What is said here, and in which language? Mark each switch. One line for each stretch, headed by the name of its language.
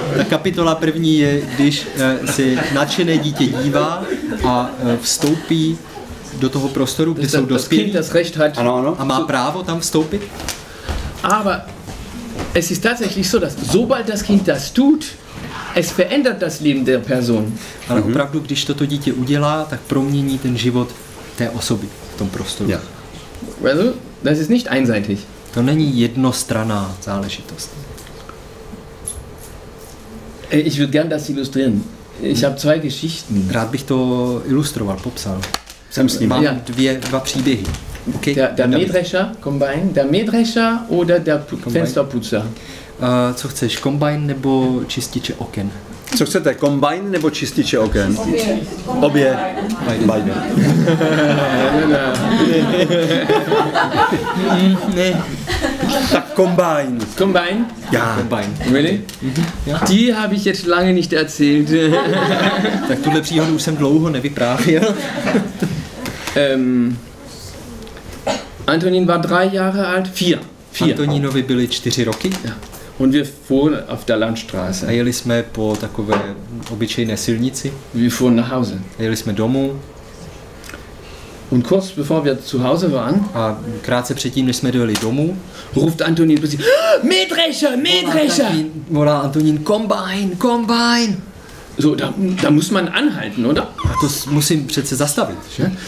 Czech: Ta kapitola první je, když se nadšené dítě dívá a vstoupí do toho prostoru, kde jsou dospělí.
German: Das Recht hat,
Czech: ano. A má právo tam vstoupit.
German: Aber es ist tatsächlich so, dass sobald das Kind das tut, es verändert das Leben der Person.
Czech: Ale opravdu, když toto dítě udělá, tak promění ten život té osoby v tom prostoru.
German: Ja. Also, das ist nicht einseitig.
Czech: To není jednostranná záležitost.
German: Ich würde gern das illustrieren. Ich habe 2 Geschichten.
Czech: Rád bych to ilustroval, popsal. Jsem s ním. Mám dva příběhy.
German: Okay. Der Mähdrescher, Combine. Der Mähdrescher oder der Fensterputzer.
Czech: Co chceš, Combine nebo čističe oken? Co chcete, Combine nebo čističe oken? Obě.
German: Beide.
Czech: Ne. Tak Combine. Combine?
German: Ja.
English: Combine. Really? Mhm. Ja.
German: Die habe ich jetzt lange nicht erzählt.
Czech: Tak tuhle příhodu už jsem dlouho nevyprávěl.
German: Antonín war 3 Jahre alt. 4.
Czech: Antonínovi byly 4 roky.
German: Ja. Und wir fuhren auf der Landstraße.
Czech: A jeli jsme po takové obyčejné silnici.
German: Wir fuhren nach Hause.
Czech: A jeli jsme domů.
German: Und kurz bevor wir zu Hause waren,
Czech: a krátce předtím, než jsme dojeli domů,
German: ruft Antonín plötzlich, Mähdrescher, Mähdrescher!
Czech: Volá Antonín, Combine, Combine!
German: So, da muss man anhalten, oder?
Czech: A to musím přece zastavit, že?